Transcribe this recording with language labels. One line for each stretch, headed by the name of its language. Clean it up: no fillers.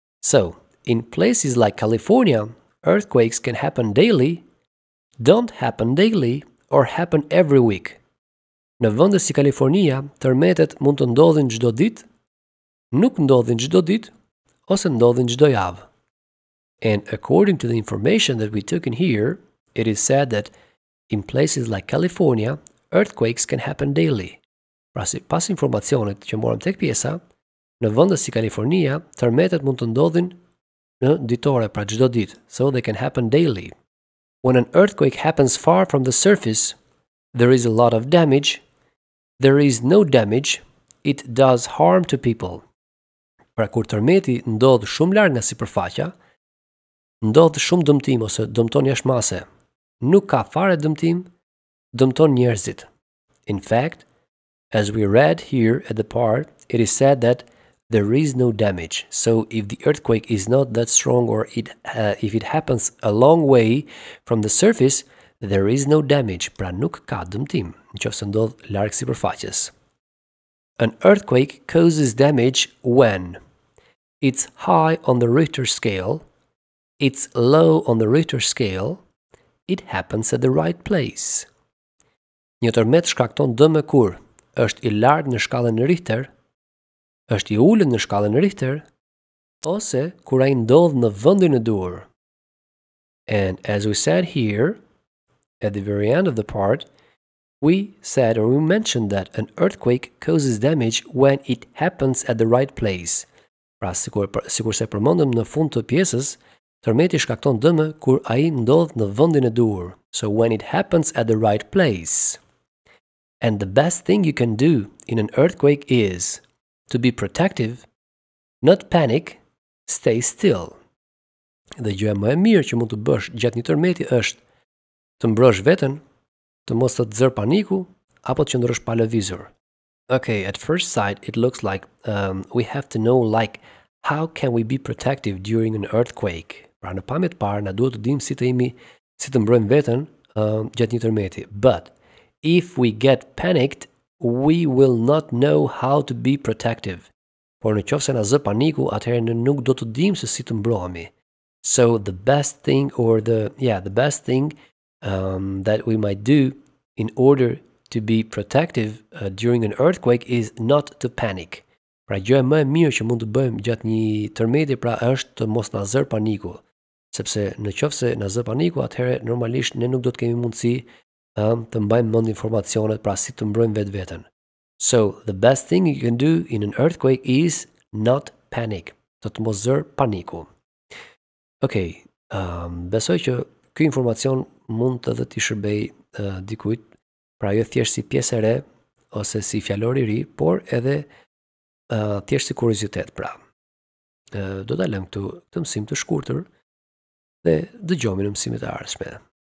English: So, in places like California, earthquakes can happen daily, don't happen daily, or happen every week.
Albanian: Në vende si Kalifornia, tërmetet mund të ndodhin çdo ditë, nuk ndodhin çdo ditë, ose ndodhin çdo javë.
English: And according to the information that we took in here, it is said that in places like California, earthquakes can happen daily.
Albanian: Pra sipas informacionit që morëm tek pjesa, në vende si Kalifornia, tërmetet mund të ndodhin në ditore, pra çdo ditë.
English: So they can happen daily. When an earthquake happens far from the surface, there is a lot of damage. There is no damage. It does harm to people.
Albanian: Pra kur tërmeti ndodh shumë larg nga sipërfaqja, ndodh shumë dëmtim ose dëmton jashtëmase. Nuk ka fare dëmtim, dëmton njerëzit.
English: In fact, as we read here at the part, it is said that there is no damage. So if the earthquake is not that strong or if it happens a long way from the surface, there is no damage,
Albanian: pra nuk ka dëmtim, nëse ndodh larg sipërfaqes.
English: An earthquake causes damage when it's high on the Richter scale, it's low on the Richter scale, it happens at the right place.
Albanian: Një tërmet shkakton dëmë kur është I lartë në shkallën Richter, është I ulët në shkallën Richter, ose kur ai ndodh në vendin e duhur.
English: And as we said here, at the very end of the part, we said or we mentioned that an earthquake causes damage when it happens at the right place.
Albanian: Pra sikurse përmendëm në fund të pjesës, tërmeti shkakton dëmë kur ai ndodh në vendin e duhur.
English: So when it happens at the right place. And the best thing you can do in an earthquake is to be protective, not panic, stay still.
Albanian: Dhe gjëja më e mirë që mund të bësh gjatë një tërmeti është të mbrosh veten, të mos të zër paniku, apo të qëndrosh pa lëvizur.
English: Okay, at first sight, it looks like we have to know, like, how can we be protective during an earthquake?
Albanian: Pra në pamjet parë, na duhet të dim si të mbrojmë veten gjatë një tërmeti.
English: But if we get panicked, we will not know how to be protective.
Albanian: Por në qofse na zë paniku, atëherë ne nuk do të dim se si të mbrohemi.
English: So the best thing or the best thing that we might do in order to be protective during an earthquake is not to panic.
Albanian: Pra gjëja më e mirë që mund të bëjmë gjatë një tërmeti pra është të mos na zër paniku. Sepse në qofse na zë paniku, atëherë normalisht ne nuk do të kemi mundësi të mbajmë mend informacionet pra si të mbrojmë vetveten.
English: So the best thing you can do in an earthquake is not panic.
Albanian: Të të mos zër paniku. Okay, besoj që ky informacion mund të dhe t'i shërbej dikujt, pra jo thjesht si pjesë e re ose si fjalor i ri, por edhe thjesht si kuriozitet. Pra do ta lëm këtu këtë mësim të shkurtër dhe dëgjojmë në mësimet e ardhshme.